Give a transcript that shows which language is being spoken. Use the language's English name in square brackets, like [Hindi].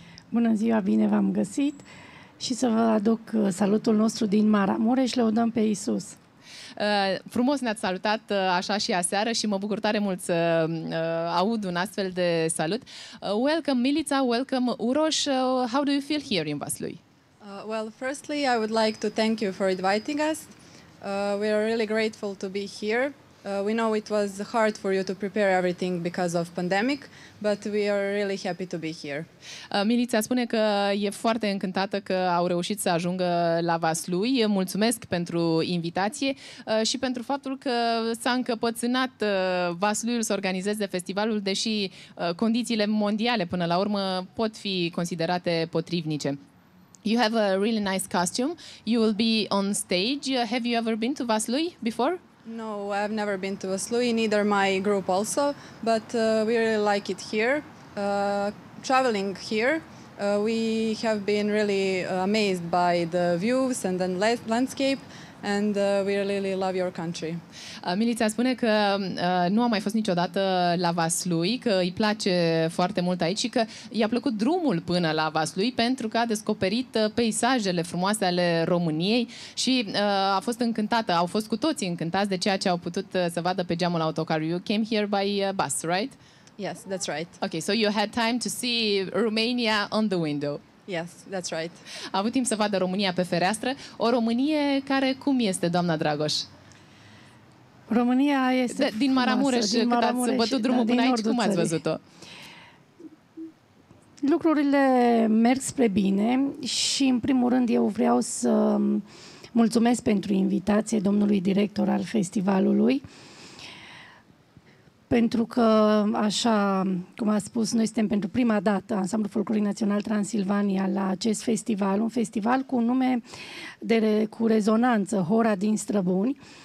[Romanian] Bună ziua, bine v-am găsit! Și să vă aduc salutul nostru din Maramureș și lăudăm pe Iisus. Frumos ne-ați salutat așa și aseară și mă bucur tare mult să aud un astfel de salut. [English] Welcome, Milița, welcome, Uroș. How do you feel here in Vaslui? Well, firstly, I would like to thank you for inviting us. We are really grateful to be here. We know it was hard for you to prepare everything because of pandemic, but we are really happy to be here. [Romanian] Milița spune că e foarte încântată că au reușit să ajungă la Vaslui. Mulțumesc pentru invitație și pentru faptul că s-a încăpățânat Vasluiul să organizeze festivalul, deși condițiile mondiale până la urmă pot fi considerate potrivnice. [English] You have a really nice costume. You will be on stage. Have you ever been to Vaslui before? No, I've never been to Vaslui, neither my group also, but we really like it here. Traveling here, we have been really amazed by the views and the landscape, and we really love your country. [Romanian] Milița spune că nu a mai fost niciodată la Vaslui, că îi place foarte mult aici și că i-a plăcut drumul până la Vaslui pentru că a descoperit peisajele frumoase ale României și a fost încântată, au fost cu toții încântați de ceea ce au putut să vadă pe geamul autocarului. [English] You came here by bus, right? Yes, that's right. Okay, so you had time to see Romania on the window. Yes, that's right. [Romanian] A avut timp să vadă România pe fereastră, o Românie care cum este, doamna Dragoș? România este da, din Maramureș, cât ați bătut drumul până aici, cum ați văzut-o? Lucrurile merg spre bine și, în primul rând, eu vreau să mulțumesc pentru invitație domnului director al festivalului, pentru că, așa cum a spus, noi suntem pentru prima dată Ansamblul Folclorii Național Transilvania la acest festival, un festival cu nume de cu rezonanță, Hora din Străbuni.